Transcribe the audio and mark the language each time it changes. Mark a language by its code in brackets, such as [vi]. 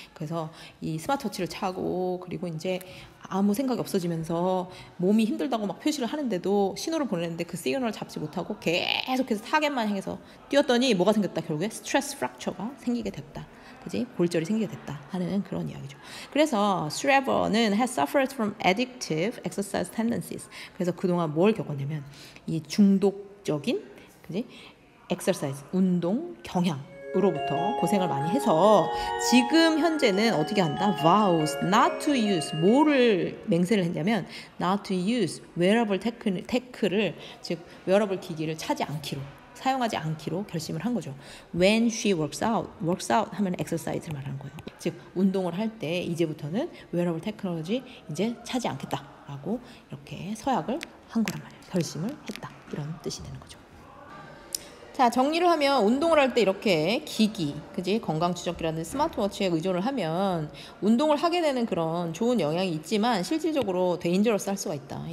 [ko] 그래서 이 스마트워치를 차고 그리고 이제 아무 생각이 없어지면서 몸이 힘들다고 막 표시를 하는데도 신호를 보내는데 그 시그널을 잡지 못하고 계속해서 타겟만 향해서 뛰었더니 뭐가 생겼다 결국에 스트레스 프랙처가 생기게 됐다. 그지? 골절이 생기게 됐다 하는 그런 이야기죠. 그래서 [en] Strabo는 has suffered from addictive exercise tendencies. [ko] 그래서 그동안 뭘 겪었냐면 이 중독적인 그지? exercise 운동 경향 으로부터 고생을 많이 해서 지금 현재는 어떻게 한다? [en] vows not to use [ko] 뭐를 맹세를 했냐면 [en] not to use wearable tech [ko] 를 즉 wearable 기기를 차지 않기로 사용하지 않기로 결심을 한 거죠. [en] When she works out [ko] 하면 exercise를 말하는 거예요. 즉 운동을 할때 이제부터는 wearable technology 이제 차지 않겠다라고 이렇게 서약을 한 거란 말이에요. 결심을 했다 이런 뜻이 되는 거죠. 자, 정리를 하면 운동을 할때 이렇게 기기, 그지? 건강 추적기라는 스마트워치에 의존을 하면 운동을 하게 되는 그런 좋은 영향이 있지만 실질적으로 데인저러스 할 수가 있다.